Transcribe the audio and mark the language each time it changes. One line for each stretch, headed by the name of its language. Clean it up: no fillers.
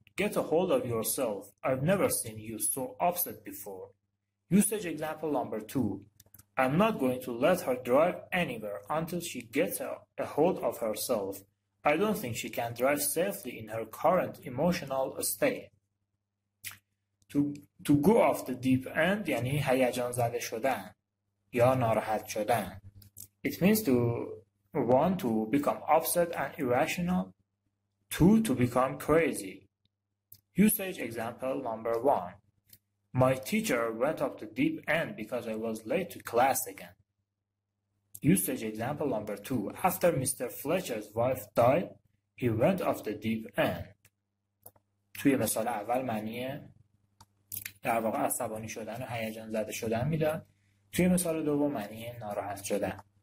English: Get a hold of yourself. I've never seen you so upset before. Usage example number two. I'm not going to let her drive anywhere until she gets a hold of herself. I don't think she can drive safely in her current emotional state. To go off the deep end,
Persian: یعنی هیجان زده شدن یا ناراحت شدن.
English: It means to one, to become upset and irrational. Two, to become crazy. Usage example number one. My teacher went off the deep end because I was late to class again. Usage example number two. After Mr. Fletcher's wife died, he went off the deep end.
Persian: توی مثال اول معنیه در واقع عصبانی شدن و هیجان زده شدن میداد. توی مثال دوم معنی ناراحت شدن.